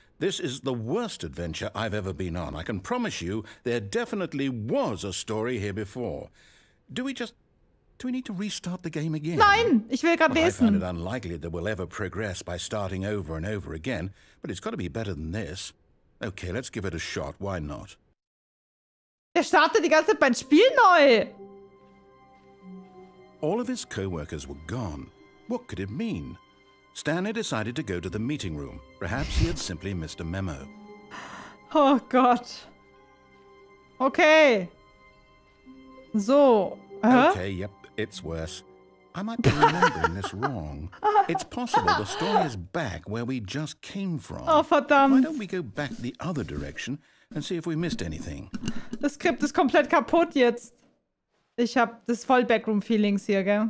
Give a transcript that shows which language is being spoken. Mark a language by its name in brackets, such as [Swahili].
[English] This is the worst adventure I've ever been on. I can promise you there definitely was a story here before. Do we need to restart the game again? [German] Nein, ich will gerade [English] Well, I find it [German] lesen. [English] unlikely that we'll ever progress by starting over and over again, but it's got to be better than this. Okay, let's give it a shot. Why not? [German] Er startet die ganze Zeit beim Spiel neu. [English] All of his co-workers were gone. What could it mean? Stanley decided to go to the meeting room. Perhaps he had simply missed a memo. [German] Oh Gott. Okay. So. [English] Okay, yep, it's worse. I might be remembering this wrong. It's possible the story is back where we just came from. [German] Oh, verdammt. [English] Why don't we go back the other direction and see if we missed anything? [German] Das Skript ist komplett kaputt jetzt. Ich hab das voll Backroom-Feelings hier, gell?